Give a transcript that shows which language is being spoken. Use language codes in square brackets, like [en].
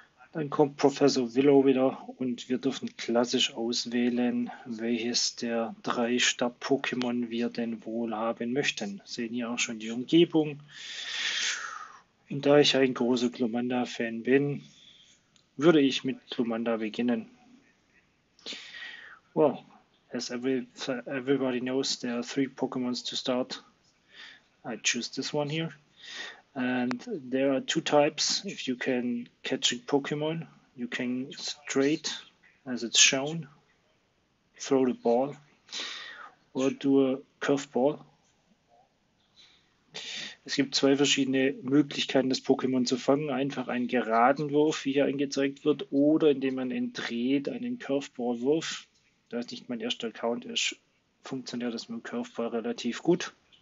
[de] Dann kommt Professor Willow wieder und wir dürfen klassisch auswählen, welches der drei Start-Pokémon wir denn wohl haben möchten. Sehen hier auch schon die Umgebung. Und da ich ein großer Glumanda-Fan bin, würde ich mit Glumanda beginnen. [en] Well, as everybody knows, there are three Pokémons to start. I choose this one here. And there are two types. If you can catch a Pokemon, you can straight, as it's shown, throw the ball or do a curveball. [de] Es gibt zwei verschiedene Möglichkeiten, das Pokémon zu fangen. Einfach einen geraden Wurf, wie hier angezeigt wird, oder indem man ihn dreht, einen Curveball-Wurf. Da es nicht mein erster Account ist, funktioniert das mit dem Curveball relativ gut.